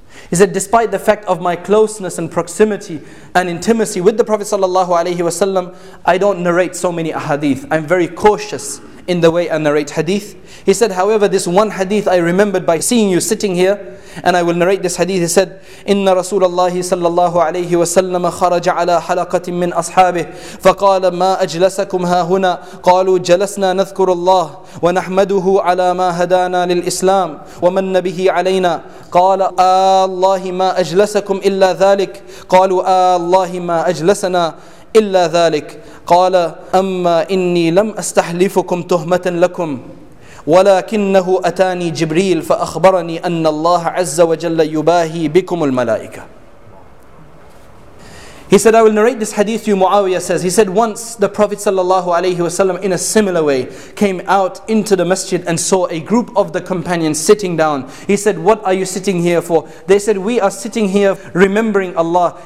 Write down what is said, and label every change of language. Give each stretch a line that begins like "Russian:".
English: He said, despite the fact of my closeness and proximity and intimacy with the Prophet sallallahu alaihi wasallam, I don't narrate so many ahadith. I'm very cautious in the way I narrate hadith. He said, however, this one hadith I remembered by seeing you sitting here, and I will narrate this hadith. He said,
Arabic: إِنَّ رَسُولَ اللَّهِ صَلَّى اللَّهُ عَلَيْهِ وَسَلَّمَ خَرَجَ عَلَىٰ حَلَقَةٍ مِّنْ أَصْحَابِهِ فَقَالَ مَا أَجْلَسَكُمْ هَا هُنَا قَالُوا جَلَسْنَا نَذْكُرُ اللَّهِ وَنَحْمَدُهُ عَلَىٰ مَا هَدَانَا لِلْإِسْلَامِ وَمَنَّ بِهِ عَلَيْنَا قال الله ما أجلسكم إلا ذلك قالوا الله ما أجلسنا إلا ذلك قال أما إني لم أستحلفكم تهمة لكم ولكنه أتاني جبريل فأخبرني أن الله عز وجل يباهي بكم الملائكة.
English: He said, I will narrate this hadith to you. Muawiyah says, he said, once the Prophet sallallahu alaihi wasallam in a similar way came out into the masjid and saw a group of the companions sitting down. He said, what are you sitting here for? They said, we are sitting here remembering Allah.